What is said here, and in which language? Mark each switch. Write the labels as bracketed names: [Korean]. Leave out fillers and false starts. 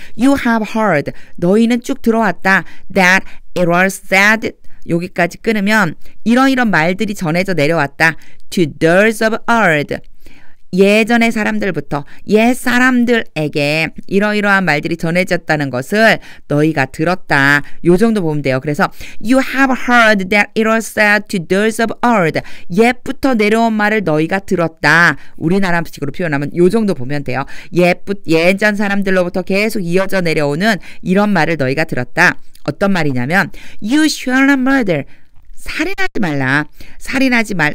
[English] You have heard. [Korean] 너희는 쭉 들어왔다. [English] That it was said. [Korean] 여기까지 끊으면 이런 말들이 전해져 내려왔다. [English] To those of old. [Korean] 예전의 사람들부터 옛 사람들에게 이러이러한 말들이 전해졌다는 것을 너희가 들었다. 요 정도 보면 돼요. 그래서 [English] You have heard that it was said to those of old. [Korean] 옛부터 내려온 말을 너희가 들었다. 우리나라식으로 표현하면 요 정도 보면 돼요. 예전 사람들로부터 계속 이어져 내려오는 이런 말을 너희가 들었다. 어떤 말이냐면 [English] You shall not murder. [Korean] 살인하지 말라.